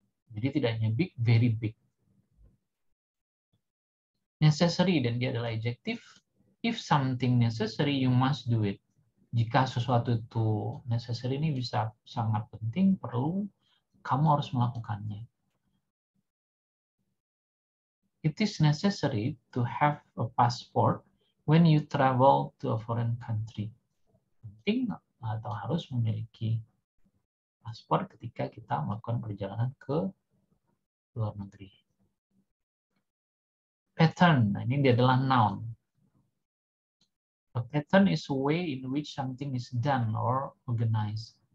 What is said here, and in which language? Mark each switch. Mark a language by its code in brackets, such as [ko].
[id] Jadi tidak hanya big, very big. [en] Necessary, [id] dan dia adalah [en] adjective. If something necessary, you must do it. [id] Jika sesuatu itu necessary, ini bisa sangat penting, perlu, kamu harus melakukannya. [en] It is necessary to have a passport when you travel to a foreign country. [id] Penting atau harus memiliki paspor ketika kita melakukan perjalanan ke luar negeri. pattern. Nah, ini dia adalah noun. [en] A pattern is a way in which something is done or organized.